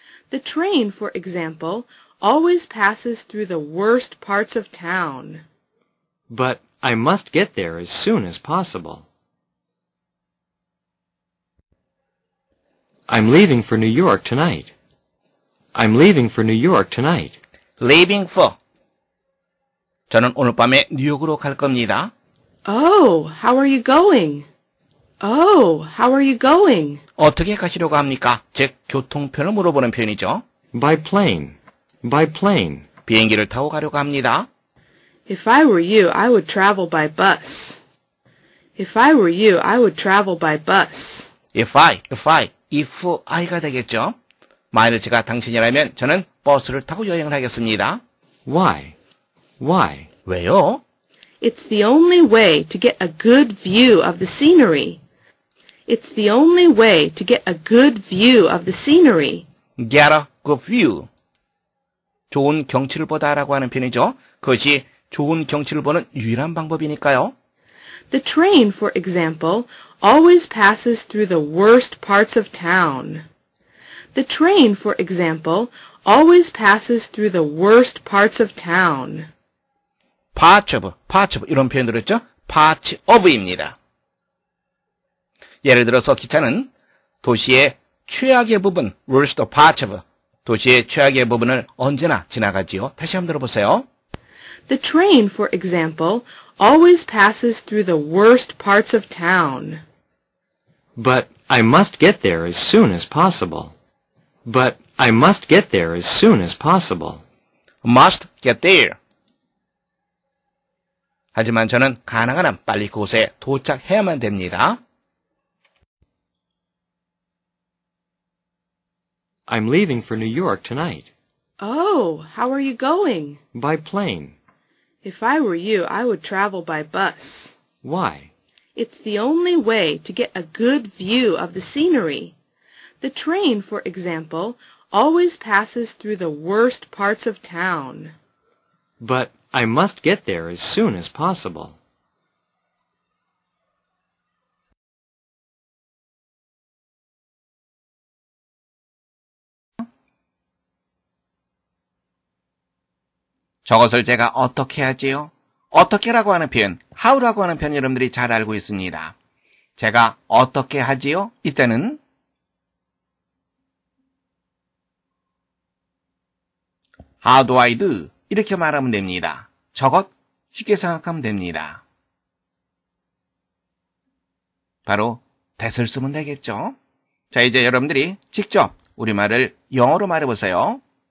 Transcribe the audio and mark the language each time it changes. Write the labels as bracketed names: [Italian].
[English] The train, for example, always passes through the worst parts of town. But I must get there as soon as possible. I'm leaving for New York tonight. I'm leaving for New York tonight. Leaving for. [Korean] 저는 오늘 밤에 뉴욕으로 갈 겁니다. [English] Oh, how are you going? Oh, how are you going? [Korean] 어떻게 가시려고 합니까? 즉, 교통편을 물어보는 표현이죠. [English] By plane. By plane. [Korean] 비행기를 타고 가려고 합니다. [English] If I were you, I would travel by bus. If I were you, I would travel by bus. If I [Korean] 가 되겠죠. 만일 제가 당신이라면 저는 버스를 타고 여행을 하겠습니다. [English] Why? Why? [Korean] 왜요? [English] It's the only way to get a good view of the scenery. It's the only way to get a good view of the scenery. Get a good view. [Korean] 좋은 경치를 보다라고 하는 표현이죠. 그것이 좋은 경치를 보는 유일한 방법이니까요. [English] The train, for example, always passes through the worst parts of town. The train, for example, always passes through the worst parts of town. Parts of, [Korean] 이런 표현 들었죠? [English] Parts of입니다. [Korean] 예를 들어서 기차는 도시의 최악의 부분, [English] worst part of, [Korean] 도시의 최악의 부분을 언제나 지나가지요. 다시 한번 들어보세요. [English] The train, for example, always passes through the worst parts of town. But I must get there as soon as possible. But I must get there as soon as possible. Must get there. [Korean] 하지만 저는 가능한 한 빨리 그곳에 도착해야만 됩니다. [English] I'm leaving for New York tonight. Oh, how are you going? By plane. If I were you, I would travel by bus. Why? It's the only way to get a good view of the scenery. The train, for example, always passes through the worst parts of town. But I must get there as soon as possible. [Korean] 저것을 제가 어떻게 하지요? 어떻게라고 하는 표현, how라고 하는 표현 여러분들이 잘 알고 있습니다. 제가 어떻게 하지요? 이때는 [English] How do I do? [Korean] 이렇게 말하면 됩니다. 저것 쉽게 생각하면 됩니다. 바로 that을 쓰면 되겠죠? 자, 이제 여러분들이 직접 우리말을 영어로 말해보세요.